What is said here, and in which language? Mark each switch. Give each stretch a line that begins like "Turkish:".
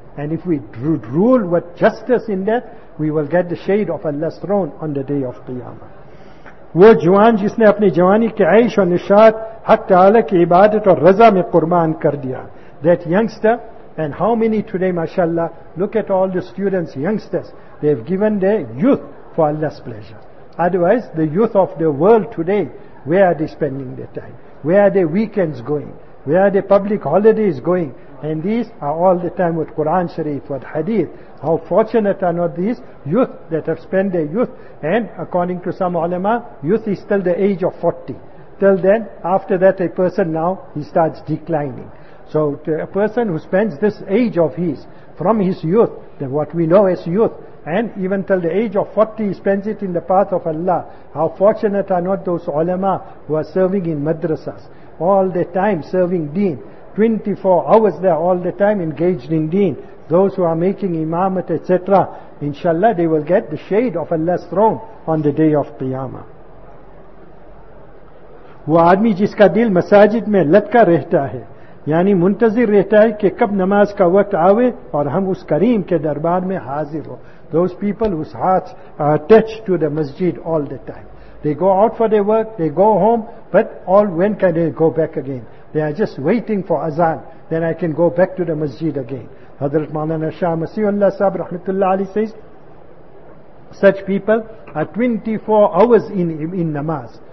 English: And if we rule with justice in that, we will get the shade of Allah's throne on the day of Qiyamah.
Urdu: وہ جوان جس نے اپنی جوانی کے عیش و نشاط حق تعالی کی عبادت اور رضا میں قربان کر دیا.
English: That youngster, and how many today, mashallah, look at all the students, youngsters, they have given their youth for Allah's pleasure. Otherwise, the youth of the world today, where are they spending their time? Where are their weekends going? Where are their public holidays going? And these are all the time with Quran Sharif, with Hadith. How fortunate are not these youth that have spent their youth. And according to some ulama, youth is till the age of 40. Till then, after that a person now, he starts declining. So to a person who spends this age of his, from his youth, then what we know as youth, and even till the age of 40, he spends it in the path of Allah. How fortunate are not those ulama who are serving in madrasas, all the time serving deen. 24 hours there all the time engaged in deen. Those who are making imamat, etc., inshallah, they will get the shade of Allah's throne on the day of Qiyamah.
Urdu: وہ آدمی جس کا دل مساجد میں لٹکا رہتا ہے یعنی منتظر رہتا ہے کہ کب نماز کا وقت آوے اور ہم اس کریم کے دربار میں حاضر ہو.
English: Those people whose hearts are attached to the masjid all the time. They go out for their work, they go home, but all when can they go back again? They are just waiting for azan, then I can go back to the masjid again. Hazrat Maulana Shah Masihullah Sahib Rahmatullah Ali says, such people are 24 hours in namaz.